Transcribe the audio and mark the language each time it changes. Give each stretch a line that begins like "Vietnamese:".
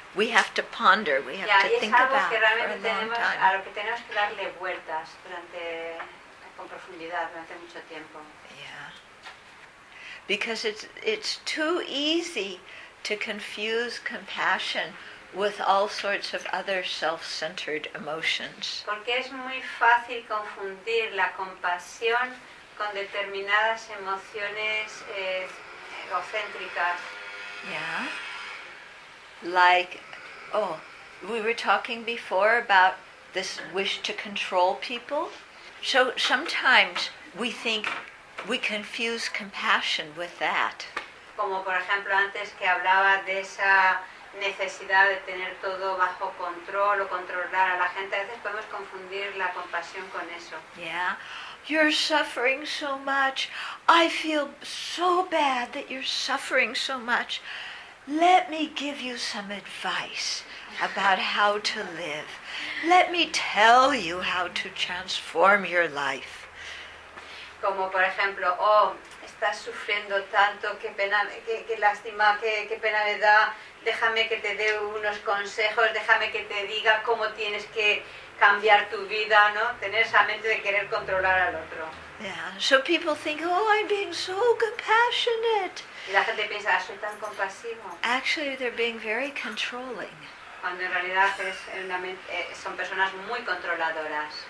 English: we have to ponder, we have to think about for a long time.
Spanish: A lo que tenemos que darle vueltas con profundidad durante mucho tiempo.
English: Because it's too easy to confuse compassion with all sorts of other self-centered emotions.
Spanish: Porque es muy fácil confundir la compasión con determinadas emociones egocéntricas.
English: Yeah. Like, oh, we were talking before about this wish to control people. So sometimes we think we confuse compassion with that.
Spanish: Como por ejemplo antes que hablaba de esa necesidad de tener todo bajo control o controlar a la gente, a veces podemos confundir la compasión con eso.
English: Yeah. You're suffering so much. I feel so bad that you're suffering so much. Let me give you some advice about how to live. Let me tell you how to transform your life.
Spanish: Como por ejemplo, oh, estás sufriendo tanto, qué pena, qué lástima, qué pena me da, déjame que te dé unos consejos, déjame que te diga cómo tienes que cambiar tu vida, ¿no? Tener esa mente de querer controlar al otro.
English: Yeah, so people think, oh, I'm being so compassionate.
Spanish: Y la gente piensa, soy tan compasivo.
English: Actually, they're being very controlling.
Spanish: Cuando en realidad es una mente, son personas muy controladoras.